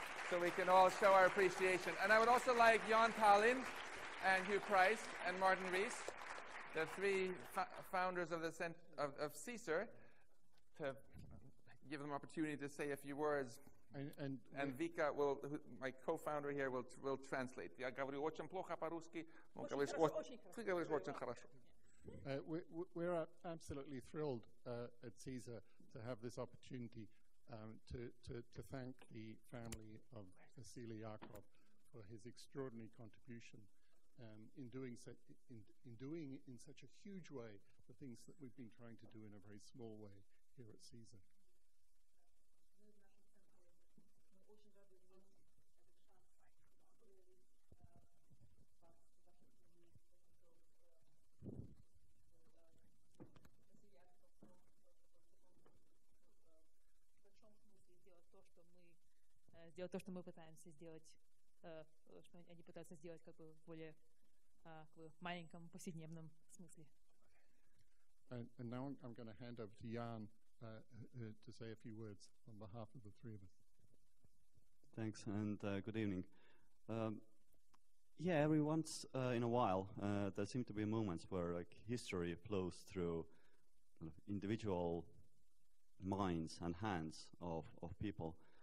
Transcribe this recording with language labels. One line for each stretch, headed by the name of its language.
English: So we can all show our appreciation. And I would also like Jan Tallinn and Hugh Price and Martin Rees, the three founders of the of CSER, to give them opportunity to say a few words. And Vika, my co-founder here, will translate.
Russian: Я говорю очень плохо по-русски. Ты говоришь очень хорошо.
English: We're absolutely thrilled at CSER to have this opportunity to thank the family of Vasily Arkhipov for his extraordinary contribution in doing such a huge way the things that we've been trying to do in a very small way here at CSER.
Russian: То, что мы пытаемся сделать, что они пытаются сделать как бы в более маленьком повседневном смысле.
English: And now I'm going to hand over to Jan to say a few words on behalf of the three of us. Thanks and good evening. Every once in a while there seem to be moments where like history flows through individual minds and hands of people.